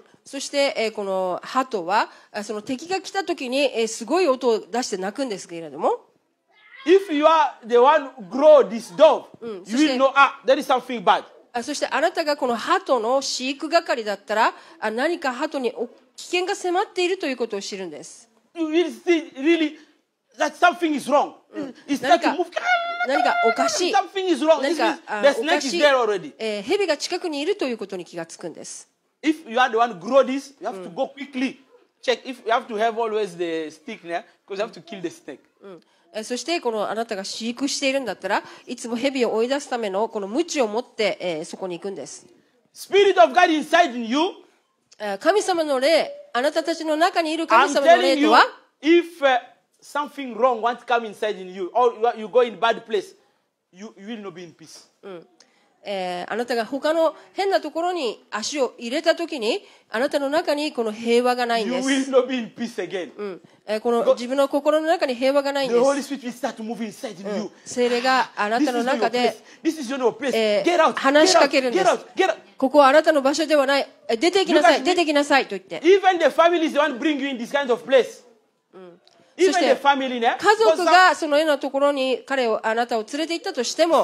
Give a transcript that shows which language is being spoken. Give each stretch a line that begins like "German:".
Japanese: そして、この鳩はその敵が来た時に、すごい音を出して鳴くんですけれども。
English: If you are the one grow this dove, you will know there is something bad.
Japanese: そしてあなたがこの鳩の飼育係だったら、何か鳩に危険が迫っているということを知るんです。
English: You will see really that something is wrong. It's starting to move.
Japanese: 何かおかしい。
English: Something is wrong.
Japanese: 何か
English: the snake is there already.
Japanese: 蛇が近くにいるということに気がつくんです。
English: If you are the one grow this, you have to go quickly. Check if you have to have always the stick there, because you have to kill the snake.
Japanese: そしてこのあなたが飼育しているんだったら、いつも蛇を追い出すためのこの鞭を持って、そこに行くんです。
English: Spirit of God inside in you.
Japanese: 神様の霊、あなたたちの中にいる神様の霊とは。
English: Something wrong wants to come inside in you, or you go in bad place, you will not be in peace.
Japanese: あなたが他の変なところに足を入れたときに、あなたの中にこの平和がないんです。
English: You will not be in peace again.
Japanese: この自分の心の中に平和がないんです。
English: The Holy Spirit will start to move inside in you.
Japanese: 聖霊があなたの中で、
English: This is your place. Get out.
Japanese: 話しかけるんです。
English: Get out.
Japanese: ここはあなたの場所ではない。出て行きなさい。出て行きなさいと言って。
English: Even the family is the one bring you in this kind of place.
Japanese: そして家族がその絵のところに彼をあなたを連れて行ったとしても